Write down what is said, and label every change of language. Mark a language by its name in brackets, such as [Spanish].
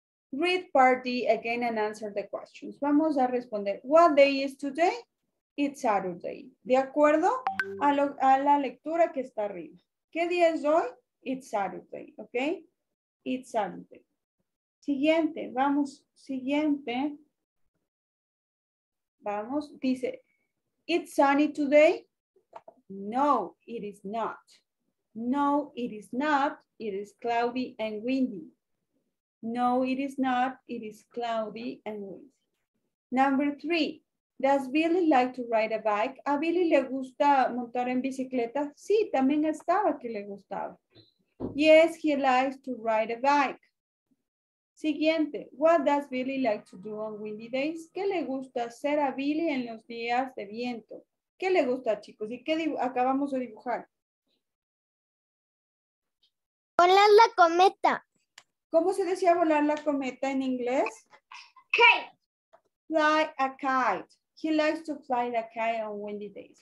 [English] Read part D again and answer the questions. [Spanish] Vamos a responder. [English] What day is today? It's Saturday. [Spanish] De acuerdo a la lectura que está arriba. ¿Qué día es hoy? [English] It's Saturday, ¿ok? It's Saturday. [Spanish] Siguiente, vamos, siguiente. Vamos, dice, [English] it's sunny today. No, it is not. No, it is not. It is cloudy and windy. No, it is not. It is cloudy and windy. Number three, does Billy like to ride a bike? [Spanish] ¿A Billy le gusta montar en bicicleta? Sí, también estaba que le gustaba. [English] Yes, he likes to ride a bike. [Spanish] Siguiente, [English] what does Billy like to do on windy days? [Spanish] ¿Qué le gusta hacer a Billy en los días de viento? ¿Qué le gusta, chicos? ¿Y qué acabamos de dibujar? Volar la cometa. ¿Cómo se decía volar la cometa en inglés? [English] Kite. Fly a kite. He likes to fly a kite on windy days.